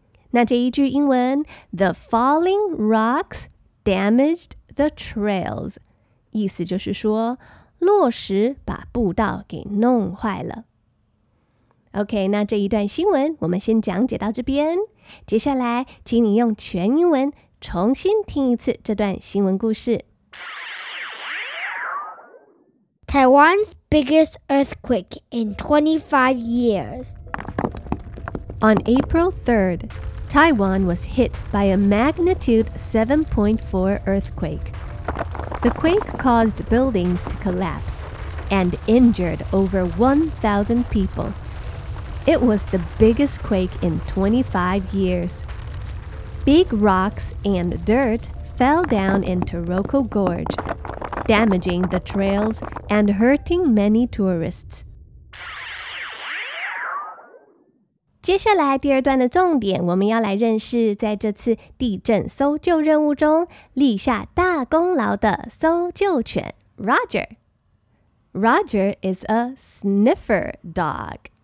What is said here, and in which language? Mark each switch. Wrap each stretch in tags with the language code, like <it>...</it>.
<zh>那这一句英文</zh> <en>The falling rocks damaged the trails</en> <zh>意思就是说落石把步道给弄坏了。 OK, 那这一段新闻我们先讲解到这边，接下来请你用全英文重新听一次这段新闻故事。</zh> <en>Taiwan's biggest earthquake in 25 years. On April 3rd,Taiwan was hit by a magnitude 7.4 earthquake. The quake caused buildings to collapse and injured over 1,000 people. It was the biggest quake in 25 years. Big rocks and dirt fell down in Taroko Gorge, damaging the trails and hurting many tourists.</en> <zh>接下来第二段的重点，我们要来认识在这次地震搜救任务中立下大功劳的搜救犬 Roger.</zh> <en>Roger is a sniffer dog.</en>